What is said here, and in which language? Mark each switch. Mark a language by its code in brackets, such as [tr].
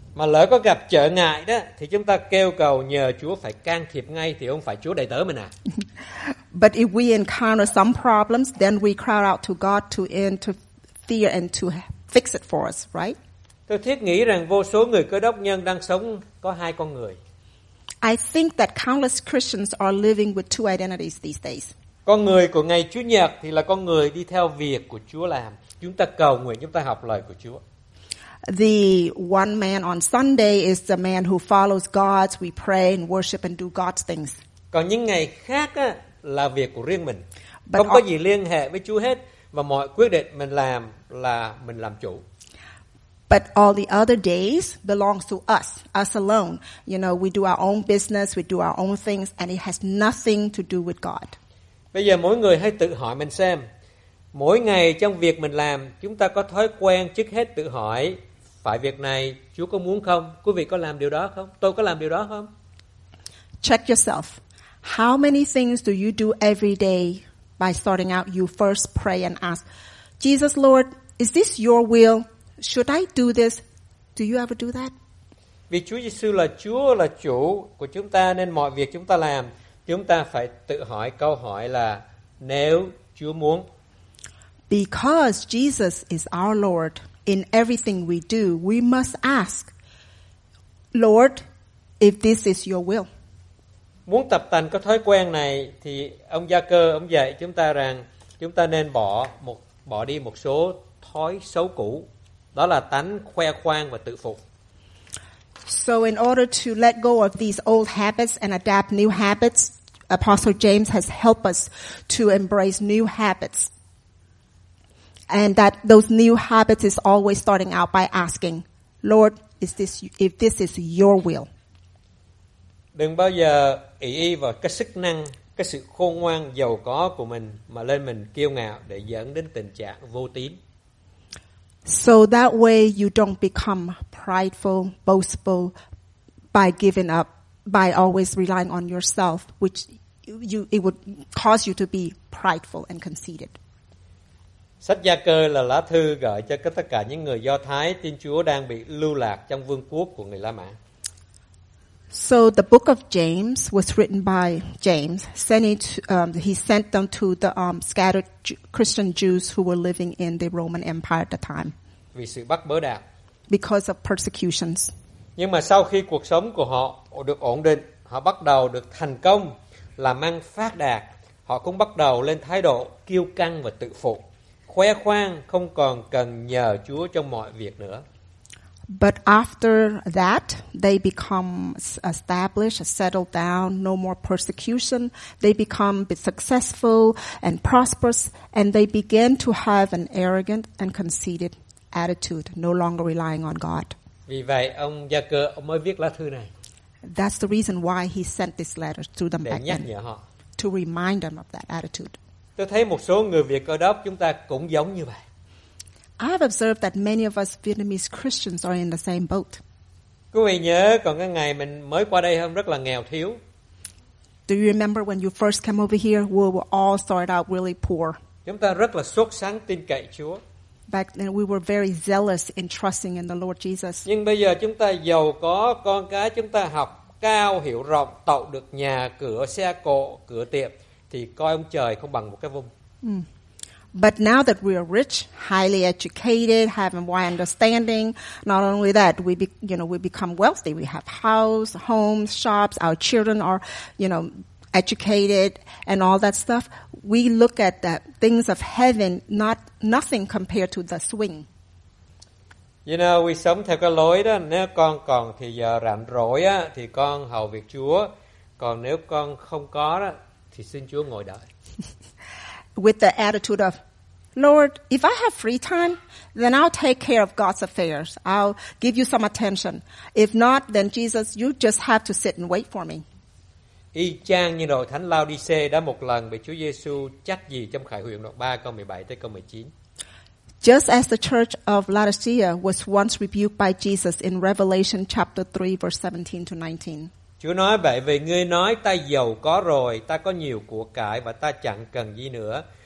[vi] Mà lỡ có gặp trở ngại đó thì chúng ta kêu cầu nhờ Chúa phải can thiệp ngay thì không phải Chúa đầy tớ mình à. [en] But if we encounter some problems, then we cry out to God to interfere and to fix it for us, right? [vi] Tôi thiết nghĩ rằng vô số người Cơ Đốc nhân đang sống có hai con người. [en] I think that countless Christians are living with two identities these days. [vi] Con người của ngày Chúa Nhật thì là con người đi theo việc của Chúa làm. Chúng ta cầu nguyện, chúng ta học lời của Chúa. [en] The one man on Sunday is the man who follows God. We pray and worship and do God's things. [vi] Còn những ngày khác á, là việc của riêng mình. Không có gì liên hệ với Chúa hết. và mọi quyết định mình làm là mình làm chủ. [en] But all the other days belongs to us, us alone. You know, we do our own business, we do our own things, and it has nothing to do with God. [vi] Bây giờ mỗi người hãy tự hỏi mình xem, mỗi ngày trong việc mình làm, chúng ta có thói quen trước hết tự hỏi, phải việc này Chúa có muốn không? Quý vị có làm điều đó không? Tôi có làm điều đó không? [en] Check yourself. How many things do you do every day? By starting out, you first pray and ask, Jesus, Lord, is this your will? Should I do this? Do you ever do that? [vi] Vì Chúa Giêsu là Chúa, là chủ của chúng ta, nên mọi việc chúng ta làm, chúng ta phải tự hỏi câu hỏi là nếu Chúa muốn. [en] Because Jesus is our Lord, in everything we do, we must ask, Lord, if this is your will. [vi] Muốn tập thành cái thói quen này thì ông Gia Cơ ông dạy chúng ta rằng chúng ta nên bỏ đi một số thói xấu cũ. Đó là tánh khoe khoang và tự phục. [en] So in order to let go of these old habits and adapt new habits, Apostle James has helped us to embrace new habits. And that those new habits is always starting out by asking, Lord, if this is your will. [vi] Đừng bao giờ ỷ y vào cái sức năng, cái sự khôn ngoan giàu có của mình mà lên mình kiêu ngạo để dẫn đến tình trạng vô tín. [en] So that way you don't become prideful, boastful by giving up, by always relying on yourself, which it would cause you to be prideful and conceited. [vi] Sách Gia Cơ là lá thư gửi cho tất cả những người Do Thái tin Chúa đang bị lưu lạc trong vương quốc của người La Mã. [en] So the book of James was written by James, he sent them to the scattered Christian Jews who were living in the Roman Empire at the time. [vi] Vì sự bắt bớ đạo. [en] Because of persecutions. [vi] Nhưng mà sau khi cuộc sống của họ được ổn định, họ bắt đầu được thành công, làm ăn phát đạt, họ cũng bắt đầu lên thái độ kiêu căng và tự phụ, khoe khoang, không còn cần nhờ Chúa trong mọi việc nữa. [en] But after that, they become established, settled down, no more persecution. They become successful and prosperous, and they begin to have an arrogant and conceited attitude, no longer relying on God. [vi] Vì vậy, ông Gia Cơ mới viết lá thư này. [en] That's the reason why he sent this letter to them back then, [vi] họ. [en] To remind them of that attitude. [vi] Tôi thấy một số người Việt Cơ Đốc chúng ta cũng giống như vậy. [en] I have observed that many of us Vietnamese Christians are in the same boat. [vi] Quý vị nhớ còn cái ngày mình mới qua đây không? Rất là nghèo thiếu. [en] Do you remember when you first came over here? We were all started out really poor. [vi] Chúng ta rất là sốt sáng tin cậy Chúa. [en] Back then we were very zealous in trusting in the Lord Jesus. [vi] Nhưng bây giờ chúng ta giàu có, con cái chúng ta học cao, hiểu rộng, tậu được nhà, cửa, xe cộ, cửa tiệm, thì coi ông trời không bằng một cái vung. [en] But now that we are rich, highly educated, have a wide understanding, not only that, we become wealthy. We have house, homes, shops, our children are, you know, educated and all that stuff. We look at the things of heaven, nothing compared to the swing. You know, we [vi] sống theo cái lối đó, nếu con còn thì giờ rảnh rỗi á, thì con hầu việc Chúa. Còn nếu con không có đó, thì xin Chúa ngồi đợi. [en] With the attitude of, Lord, if I have free time, then I'll take care of God's affairs. I'll give you some attention. If not, then Jesus, you just have to sit and wait for me. [vi] Y chang như đội thánh Laodice đã một lần bị Chúa Giêsu trách gì trong Khải Huyền đoạn 3 câu 17 tới câu 19. [en] Just as the church of Laodicea was once rebuked by Jesus in Revelation chapter 3 verse 17 to 19. [vi] Chúa nói vậy vì ngươi nói ta giàu có rồi, ta có nhiều của cải và ta chẳng cần gì nữa.